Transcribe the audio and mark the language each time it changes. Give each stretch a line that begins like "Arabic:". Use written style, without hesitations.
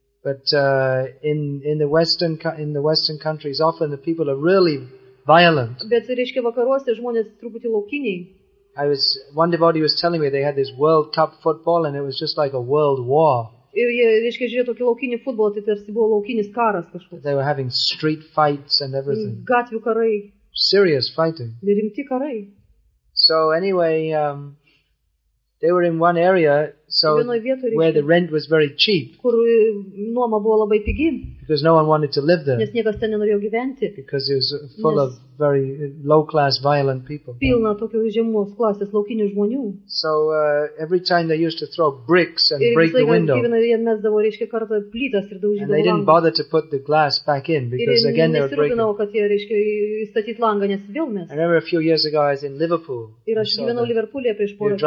English: But in the western countries often the people are really violent.
Lithuanian: Bet, reiškia, vakaruose žmonės truputį laukiniai.
English: One devotee was telling me they had this World Cup football and it was just like a world war.
Lithuanian: Ir jie, reiškia, žiūrėjo tokį laukinį futbolą, tai tarsi buvo laukinis karas kažkoks.
English: They were having street fights and everything.
Lithuanian: Gatvių karai.
English: Serious fighting.
Lithuanian: Rimti karai.
English: So anyway, they were in one area, so where the rent was very cheap.
Lithuanian: Kur nuoma buvo labai pigi.
English: Because no one wanted to live there.
Lithuanian: Nes niekas ten nenorėjo gyventi.
English: Because it was full of very low-class, violent people.
Lithuanian: Pilna tokio žemos klasės laukinių žmonių.
English: So every time they used to throw bricks and break the window. And they didn't bother to put the glass back in because again they were breaking.
Lithuanian: Kad jie, reiškia, įstatyt langą, nes vėl mes.
English: I remember a few years ago I was in Liverpool.
Lithuanian: Ir aš gyvenau Liverpoolyje prieš porą metų.